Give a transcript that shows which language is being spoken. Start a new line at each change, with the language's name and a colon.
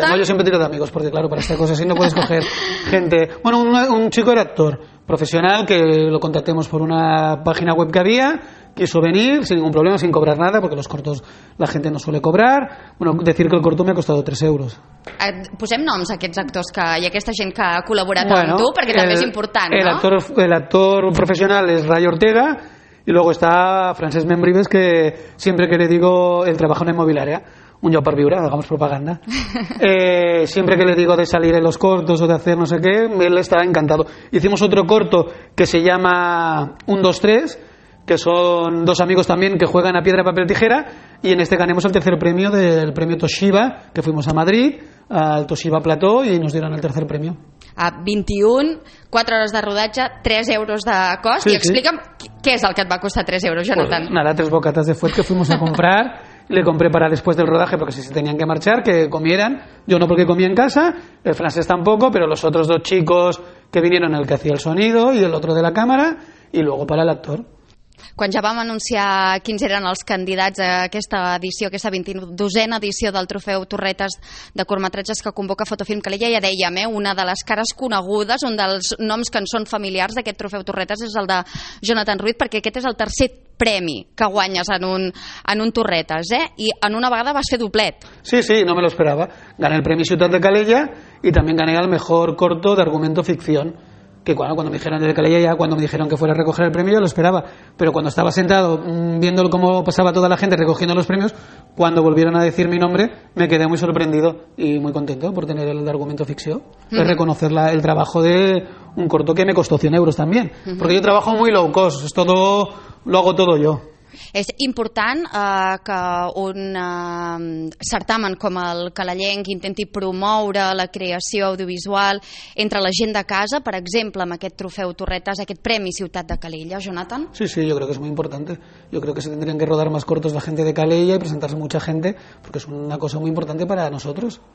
Spanish: Sí, sí. No, yo siempre tiro
Catalan: d'amics,
Spanish: porque claro, para esta cosa así no puedes coger gente. Bueno, un chico era actor profesional que lo contactemos por una página web que había. Quiso venir sin ningún problema, sin cobrar nada, porque los cortos la gente no suele cobrar. Bueno, decir que el corto me ha costado 3 euros.
Catalan: Posem noms a aquests actors que, i a aquesta gent que ha col·laborat, bueno, amb tu, perquè el, també és important, el no?
Spanish: El actor
Catalan: professional és
Spanish: Ray Ortega, y luego está Francesc Membrives, que siempre que le digo, él trabaja en la inmobiliaria, un lloc per viure, hagamos propaganda. Siempre que le digo de salir en los cortos o de hacer no sé qué, él está encantado. Hicimos otro corto que se llama 1, 2, 3, que son dos amigos también que juegan a piedra, papel, tijera, y en este ganemos el tercer premio del premio Toshiba, que fuimos a Madrid, al Toshiba Plató, y nos dieron el tercer premio.
Catalan: A 21, 4 horas de rodatge, 3 euros de cost, sí, y explica'm què és el que et va costar 3 euros, Jonathan.
Spanish: Pues nada, 3 bocatas de fuet que fuimos a comprar, le compré para después del rodaje, porque si se tenían que marchar, que comieran, yo no porque comía en casa, el francés tampoco, pero los otros dos chicos que vinieron, el que hacía el sonido y el otro de la cámara, y luego para el actor.
Catalan: Quan ja vam anunciar quins eren els candidats a aquesta edició, aquesta 22a edició del Trofeu Torretes de curtmetratges que convoca Fotofilm Calella, ja dèiem, una de les cares conegudes, un dels noms que ens són familiars d'aquest Trofeu Torretes és el de Jonathan Ruiz, perquè aquest és el tercer premi que guanyes en un Torretes, i en una vegada vas fer doblet.
Spanish: Sí, sí, no me lo esperaba. Gané el Premi Ciutat de Calella
Catalan: i també
Spanish: gané el mejor corto d'argumento ficción. Que cuando me dijeron desde Calella ya, cuando me dijeron que fuera a recoger el premio, yo lo esperaba. Pero cuando estaba sentado viendo cómo pasaba toda la gente recogiendo los premios, cuando volvieron a decir mi nombre, me quedé muy sorprendido y muy contento por tener el argumento ficción. Uh-huh. Es reconocer el trabajo de un corto que me costó 100 euros también. Uh-huh. Porque yo trabajo muy low cost, es todo, lo hago todo yo.
Catalan: És important que un certamen com el Calellenc intenti promoure la creació audiovisual entre la gent de casa, per exemple, amb aquest Trofeu Torretes, aquest Premi Ciutat de Calella, Jonathan?
Spanish: Sí, sí, yo creo que es muy importante. Yo creo que se tendrían que rodar más cortos la gente de Calella y presentarse mucha gente, porque es una cosa muy importante para nosotros.